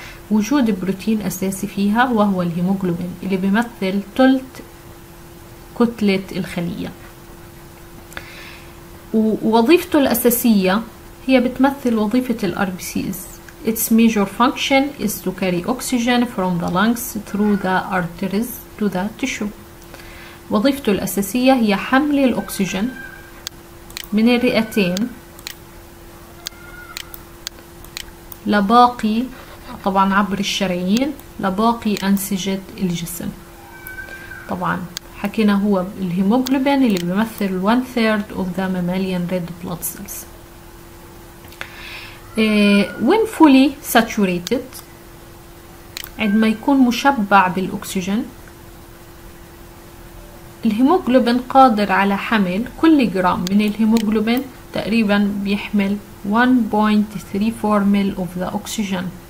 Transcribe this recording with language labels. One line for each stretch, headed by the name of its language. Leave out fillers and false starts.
Arabic: وجود بروتين أساسي فيها وهو الهيموغلوبين اللي بيمثل ثلث كتلة الخلية، ووظيفته الأساسية هي بتمثل وظيفة الـ RBCs.
English: Its major function is to carry oxygen from the lungs through the arteries to the tissue.
Arabic: وظيفته الأساسية هي حمل الأكسجين من الرئتين لباقي، طبعا عبر الشرايين، لباقي أنسجة الجسم. طبعا حكينا هو الهيموغلوبين اللي بيمثل one third of the mammalian red blood cells. When fully saturated، عندما يكون مشبع بالأكسجين، الهيموغلوبين قادر على حمل كل جرام من الهيموغلوبين تقريبا بيحمل 1.34 ميل of the oxygen.